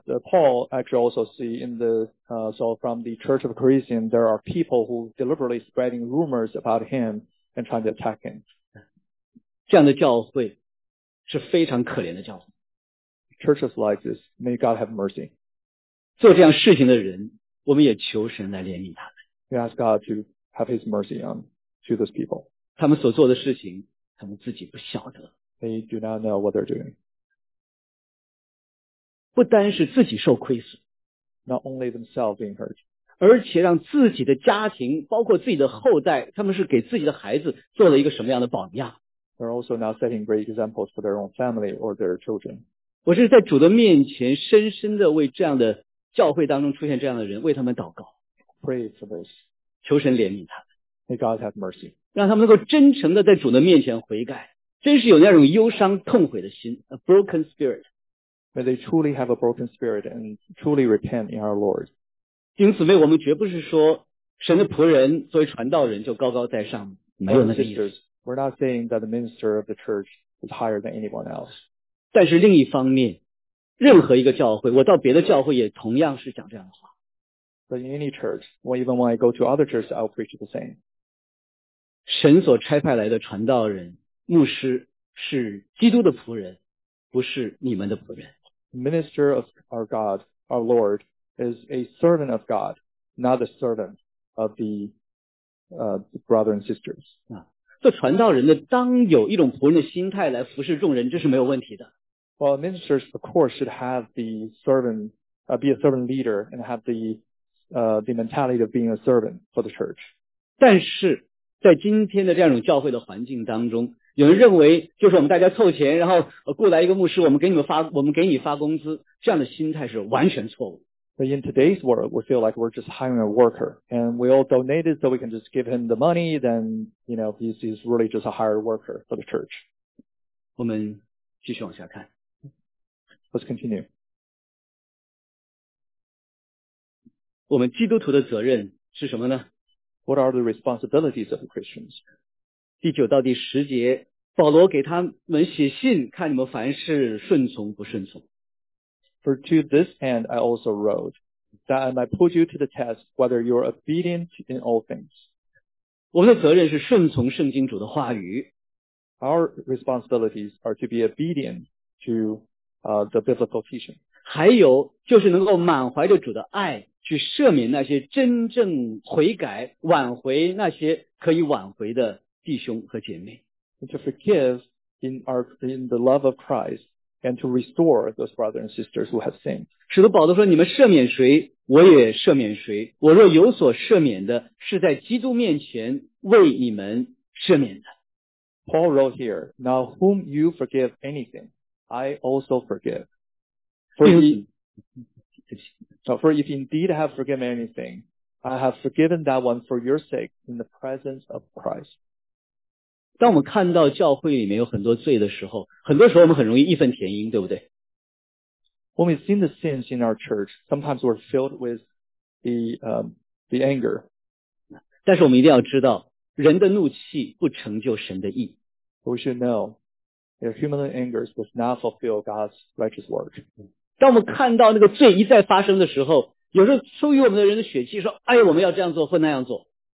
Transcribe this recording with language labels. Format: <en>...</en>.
<en>Paul actually also see in the, so from the Church of Corinthians, there are people who deliberately spreading rumors about him and trying to attack him.</en> <zh>这样的教会是非常可怜的教会。</zh> <en>Churches like this, may God have mercy.</en> <zh>做这样事情的人，我们也求神来怜悯他们。</zh> <en>We ask God to have His mercy on to those people.</en> <zh>他们所做的事情，他们自己不晓得。</zh> <en>They do not know what they're doing.</en> <zh>不单是自己受亏损</zh> <en>，not only themselves being hurt，</en> <zh>而且让自己的家庭，包括自己的后代，他们是给自己的孩子做了一个什么样的榜样</zh> <en>？They're also now setting great examples for their own family or their children.</en> <zh>我是在主的面前深深的为这样的教会当中出现这样的人为他们祷告</zh> <en>Pray for this.</en> <zh>求神怜悯他们</zh> <en>May God have mercy.</en> <zh>让他们能够真诚的在主的面前悔改真是有那种忧伤痛悔的心</zh> <en>A broken spirit. May they truly have a broken spirit and truly repent in our Lord.</en> <zh>因此为我们绝不是说神的仆人作为传道人就高高在上没有那个意思</zh> <en>We're not saying that the minister of the church is higher than anyone else.</en> <zh>但是另一方面任何一个教会我到别的教会也同样是讲这样的话</zh> <en>But in any church or even when I go to other churches I'll preach the same</en> <zh>神所差派来的传道人牧师是基督的仆人不是你们的仆人</zh> <en>Minister of our God our Lord is a servant of God not a servant of the, the brothers and sisters</en> <zh>做传道人的当有一种仆人的心态来服侍众人这是没有问题的</zh> <en>Well, ministers of course should have the servant, be a servant leader and have the mentality of being a servant for the church.</en> <zh>但是在今天的这样一种教会的环境当中有人认为就是我们大家凑钱然后雇来一个牧师我们给你发工资这样的心态是完全错误</zh> <en>But in today's world, we feel like we're just hiring a worker and we all donate it so we can just give him the money then, you know, he's really just a hired worker for the church.</en> <zh>我们继续往下看</zh> <en>Let's continue.</en> <zh>我们基督徒的责任是什么呢</zh> <en>What are the responsibilities of the Christians?</en> <zh>第九到第十节保罗给他们写信看你们凡事顺从不顺从</zh> <en>For to this end I also wrote that I might put you to the test whether you are obedient in all things.</en> <zh>我们的责任是顺从圣经主的话语</zh> <en>Our responsibilities are to be obedient to, the biblical teaching.</en> <zh>还有就是能够满怀着主的爱去赦免那些真正悔改挽回那些可以挽回的弟兄和姐妹。</zh> <en>And to forgive in the love of Christ and to restore those brothers and sisters who have sinned.</en> <zh>使徒保罗说你们赦免谁我也赦免谁我若有所赦免的是在基督面前为你们赦免的。</zh> <en>Paul wrote here, now whom you forgive anything, I also forgive. For if indeed I have forgiven anything, I have forgiven that one for your sake in the presence of Christ.</en> <zh>当我们看到教会里面有很多罪的时候很多时候我们很容易义愤填膺对不对</zh> <en>When we've seen the sins in our church, sometimes we're filled with the anger.</en> <zh>但是我们一定要知道人的怒气不成就神的义。</zh> <en>We should know their human anger does not fulfill God's righteous work.</en> <zh>当我们看到那个罪一再发生的时候，有时候出于我们的人的血气说，哎，我们要这样做或那样做。</zh>